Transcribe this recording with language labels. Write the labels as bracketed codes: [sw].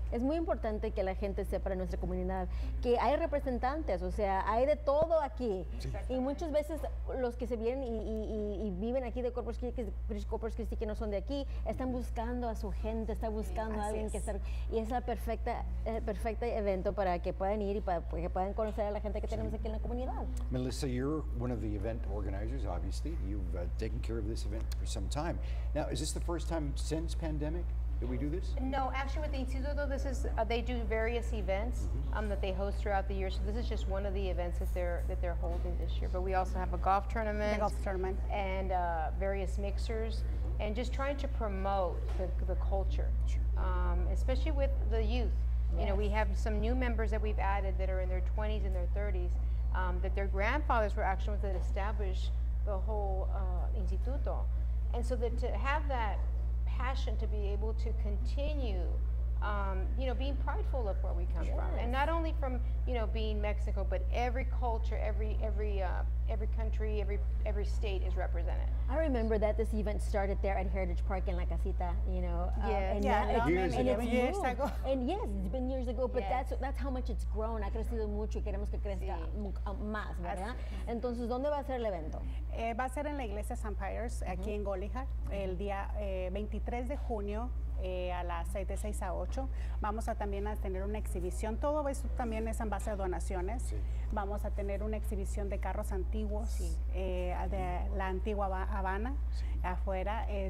[es] Es muy importante que la gente sepa en nuestra comunidad que hay representantes, o sea, hay de todo aquí. Sí. Y muchas veces los que se vienen y viven aquí de Corpus Christi, que no son de aquí, están buscando a su gente, están buscando a alguien que estar, y es el perfecto evento para que puedan ir y para que puedan conocer a la gente que tenemos aquí en la comunidad. [en] Melissa, you're one of the event organizers, obviously. You've taken care of this event for some time. Now, is this the first time since pandemic that we do this? No, actually with the Instituto, this is, they do various events that they host throughout the year. So this is just one of the events that they're holding this year. But we also have a golf tournament. A golf tournament. And various mixers. And just trying to promote the culture, especially with the youth. Yes. You know, we have some new members that we've added that are in their 20s and their 30s, that their grandfathers were actually that established the whole Instituto. And so that to have that passion to be able to continue, being prideful of where we come from, and not only from, being Mexico, but every culture, every country, every state is represented. I remember that this event started there at Heritage Park in La Casita, years ago. And yes, it's been years ago, but that's how much it's grown. [es] Ha crecido mucho y queremos que crezca más, ¿verdad? Entonces, ¿dónde va a ser el evento? Va a ser en la Iglesia San Pires, aquí en Golijar, el día 23 de junio. A las 6 de 6 a 8 vamos a también a tener una exhibición. Todo eso también es en base a donaciones. Sí. Vamos a tener una exhibición de carros antiguos, de la antigua Habana, afuera.